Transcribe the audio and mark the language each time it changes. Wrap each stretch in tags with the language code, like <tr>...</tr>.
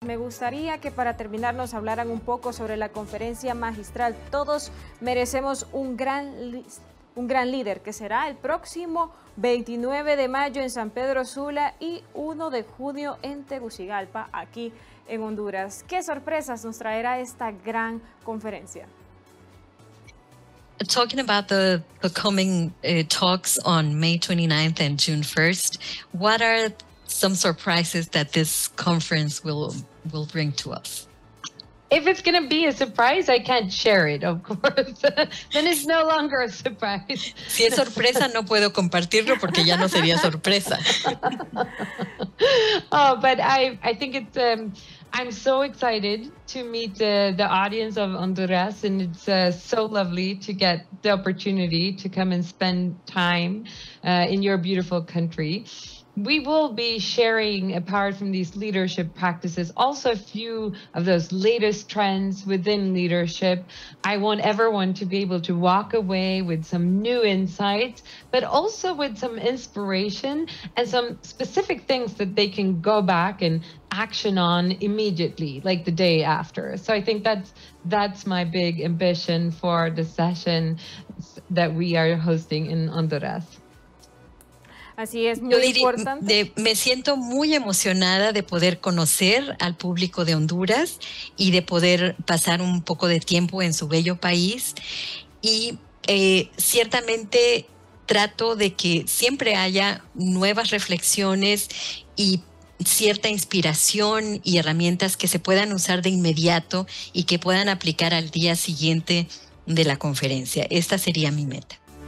<es>me gustaría que para terminar nos hablaran un poco sobre la conferencia magistral Todos merecemos un gran líder, que será el próximo 29 de mayo en San Pedro Sula y 1 de junio en Tegucigalpa, aquí en Honduras. ¿Qué sorpresas nos traerá esta gran conferencia?</es> <en>Talking about the coming talks on May 29th and June 1st, what are some surprises that this conference will bring to us? If it's going to be a surprise, I can't share it, of course. Then it's no longer a surprise.</en> <es>Si es sorpresa, no puedo compartirlo porque ya no sería sorpresa.</es> <en>Oh, but I think it's... I'm so excited to meet the audience of Honduras, and it's so lovely to get the opportunity to come and spend time in your beautiful country. We will be sharing, apart from these leadership practices, also a few of those latest trends within leadership. I want everyone to be able to walk away with some new insights, but also with some inspiration and some specific things that they can go back and action on immediately, like the day after. So I think that's my big ambition for the session that we are hosting in Honduras.</en> <es>Así es, muy importante. Me siento muy emocionada de poder conocer al público de Honduras y de poder pasar un poco de tiempo en su bello país. Y ciertamente trato de que siempre haya nuevas reflexiones y cierta inspiración y herramientas que se puedan usar de inmediato y que puedan aplicar al día siguiente de la conferencia. Esta sería mi meta.</es>